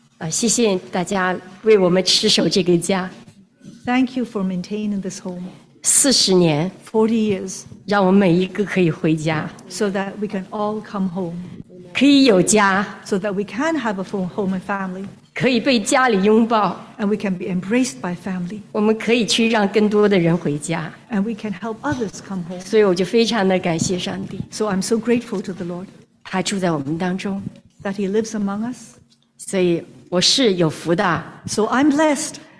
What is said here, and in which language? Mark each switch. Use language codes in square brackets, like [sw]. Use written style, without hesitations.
[zh] 谢谢大家为我们持守这个家。 [en] Thank you for maintaining this home. [zh] 40年。 [en] 40 years. [zh] 让我们每一个可以回家。 [en] So that we can all come home. [zh] 可以有家。 [en] So that we can have a full home and family. [zh] 可以被家里拥抱。 [en] And we can be embraced by family. [zh] 我们可以去让更多的人回家。 [en] And we can help others come home. [zh] 所以我就非常的感谢上帝。 [en] So I'm so grateful to the Lord. [zh] 他住在我们当中。 [en] That he lives among us. [zh] 所以我是有福的。 [en] So I'm blessed.